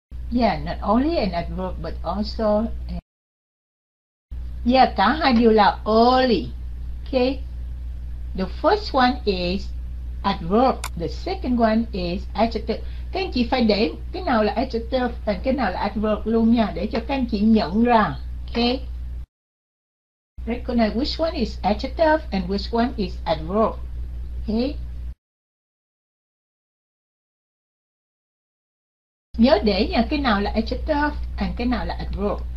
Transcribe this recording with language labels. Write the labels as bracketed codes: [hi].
[en] Yeah, not only an adverb but also an... Yeah, [vi] cả hai điều là [en] early. Okay. The first one is adverb. The second one is adjective. [vi] Các anh chị phải để cái nào là adjective và cái nào là adverb luôn nha. Để cho các anh chị nhận ra. [en] Okay. Recognize which one is adjective and which one is adverb. Okay. [vi] Nhớ để nha, cái nào là adjective and cái nào là adverb.